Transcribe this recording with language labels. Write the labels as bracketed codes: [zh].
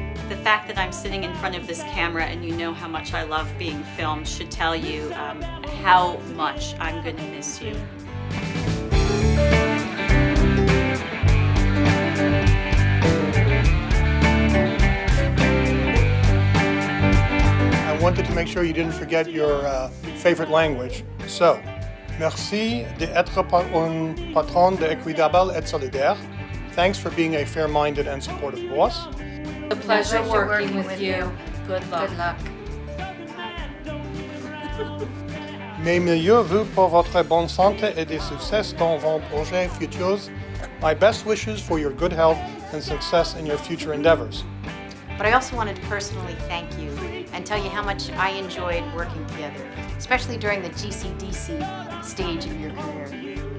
[en] The fact that I'm sitting in front of this camera and you know how much I love being filmed should tell you how much I'm going to miss you. I wanted to make sure you didn't forget your favorite language. [fr] So, merci d'être un patron d'équitable et solidaire. [en] Thanks for being a fair-minded and supportive boss. A pleasure working with you. Good luck. [fr] Mes meilleurs vœux pour votre bonne santé et des succès dans vos projets futurs. [en] My best wishes for your good health and success in your future endeavors. But I also wanted to personally thank you and tell you how much I enjoyed working together, especially during the GCDC stage of your career.